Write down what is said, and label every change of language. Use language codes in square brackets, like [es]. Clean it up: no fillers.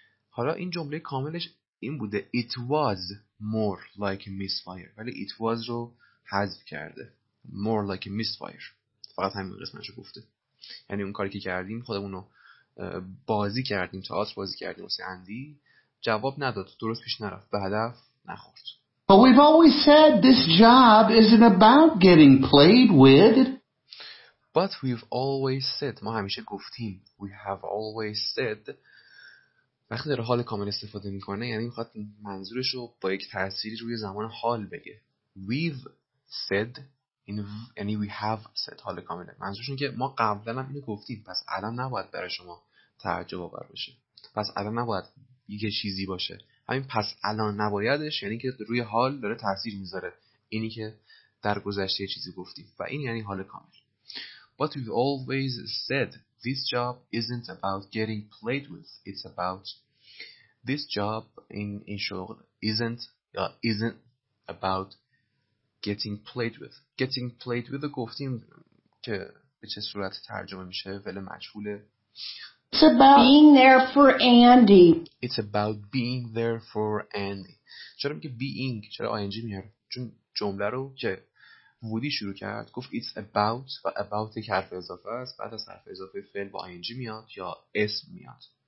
[fa] حالا این جمله کاملش این بوده [en] it was more like misfire، [fa] ولی it was رو حذف کرده، [en] more like misfire، [fa] فقط همین قسمتشو گفته. یعنی اون کاری که کردیم، خودمونو بازی کردیم، تئاتر بازی کردیم واسه اندی، جواب نداد، درست پیش نرفت، به هدف نخورد. [en] But we've always said this job isn't about getting played with. But we've always said، [fa] ما همیشه گفتیم. [en] We have always said. [fa] وقتی در حال کامل استفاده میکنه یعنی میخواد منظورش رو با یک تأثیری روی زمان حال بگه. [en] We've said، [fa] یعنی [en] we have said [fa] حال کامله، منظورش اینه که ما قبلا هم اینو گفتیم، پس الان نباید برای شما تعجب آور باشه، پس الان نباید یه چیزی باشه. همین پس الان نبایدش یعنی که روی حال داره تاثیر میذاره، اینی که در گذشته چیزی گفتیم و این یعنی حال کامل. [en] But we've always said this job isn't about getting played with, it's about this job in شغل isn't about getting played with. Getting played with [fa] رو گفتیم که به چه صورت ترجمه میشه، فعل مجهوله. [en] It's about being there for Andy. It's about being there for Andy. [fa] چرا میگه being؟ چرا ing میاره؟ چون جمله رو که وودی شروع کرد گفت [en] it's about [fa] و about یک حرف اضافه است، بعد از حرف اضافه فعل با ing میاد یا اسم میاد.